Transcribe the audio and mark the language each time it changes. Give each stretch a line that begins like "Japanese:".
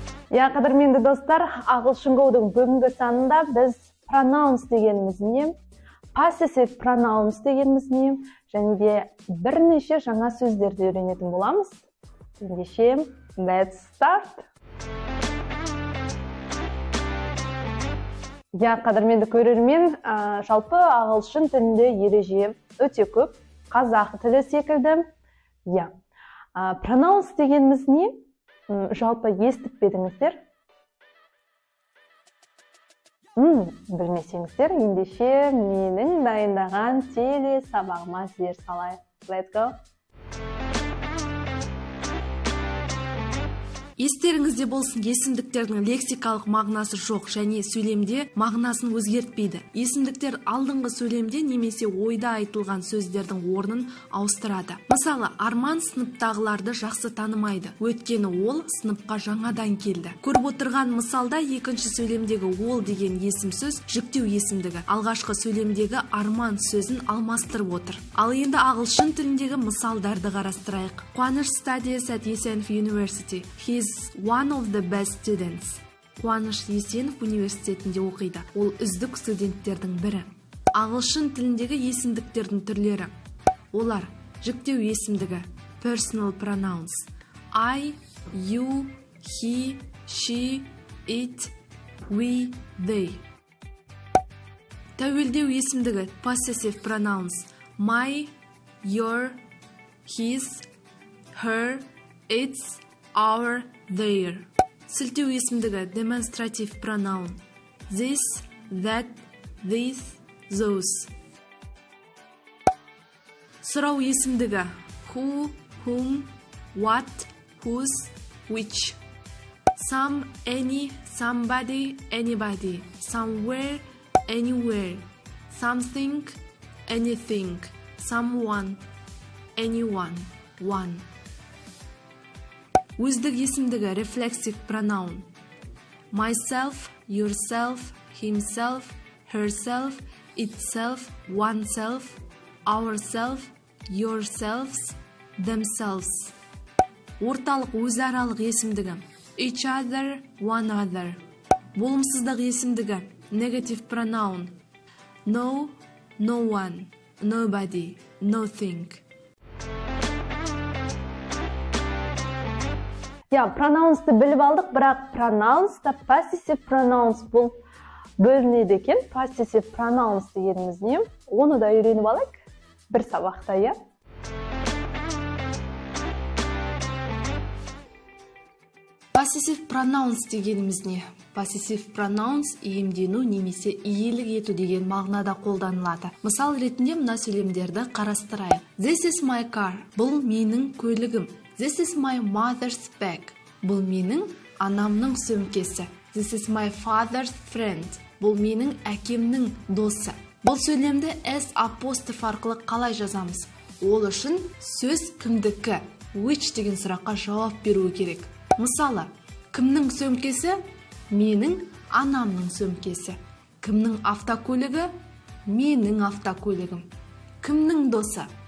Kazakh: Я қадірменді достар, ағылшын Go-дың бүгінгі санында біз pronouns дегеніміз не, possessive pronouns дегеніміз не, және де бірнеше жаңа сөздерді үйренетін боламыз. Ендеше,
English: let's start!
Kazakh: Я қадірменді көрермен, жалпы ағылшын тілінде ереже өте көп, қазақ тілі секілді. Я, pronouns дегеніміз не? Жалпы естіп бедіңіздер? Білмесеңіздер, ендеше менің дайындаған теле сабағыма зер салай.
English: Let's go!
Kazakh: Естеріңізде болсын, есімдіктердің лексикалық мағынасы жоқ және сөйлемде мағынасын өзгертпейді. Есімдіктер алдыңғы сөйлемде немесе ойда айтылған сөздердің орнын ауыстырады. Мысалы, Арман сыныптағыларды жақсы танымайды, өйткені ол сыныпқа жаңадан келді. Көріп отырған мысалда екінші сөйлемдегі ол деген есім сөз жіктеу есімдігі, алғашқы сөйлемдегі Арман сөзін алмастырып отыр. Ал енді ағылшын тіліндегі мысалдарды қарастырайық.
English: Қуаныш studies at ESNF University. He is one of the best students.
Kazakh: Қуаныш Есенов университетінде оқиды. Ол үздік студенттердің бірі. Ағылшын тіліндегі есімдіктердің түрлері. Олар жіктеу есімдігі,
English: personal pronouns, I, you, he, she, it, we, they.
Kazakh: Тәуелдеу есімдігі,
English: possessive pronouns, my, your, his, her, its, our, there.
Kazakh: Сілтеу есімдігі,
English: demonstrative pronoun, this, that, these, those.
Kazakh: Сұрау есімдігі,
English: who, whom, what, whose, which. Some, any, somebody, anybody, somewhere, anywhere, something, anything, someone, anyone, one.
Kazakh: Өздік есімдігі
English: reflexive pronoun. Myself, yourself, himself, herself, itself, oneself, ourself, yourselves, themselves.
Kazakh: Орталық өзаралық есімдігі.
English: Each other, one other.
Kazakh: Болымсыздық есімдігі.
English: Negative pronoun. No, no one, nobody, nothing.
Kazakh: Я pronouns-ты біліп алдық, бірақ pronouns-та possessive pronouns бұл бөлінеді екен. Possessive pronouns дегеніміз не? Оны да үйреніп алайық бір сабақта, иә. Possessive pronouns дегеніміз не? Possessive pronouns иемдену немесе иелік ету деген мағынада қолданылады. Мысал ретінде мына сөйлемдерді қарастырайық.
English: This is my car.
Kazakh: Бұл менің көлігім.
English: This is my mother's bag.
Kazakh: Бұл менің анамның сөмкесі.
English: This is my father's friend.
Kazakh: Бұл менің әкемнің досы. Бұл сөйлемді S апостроф арқылы қалай жазамыз? Ол үшін сөз кімдікі? Which деген сұраққа жауап беруі керек. Мысалы, кімнің сөмкесі? Менің анамның сөмкесі. Кімнің автокөлігі? Менің автокөлігім. Кімнің досы?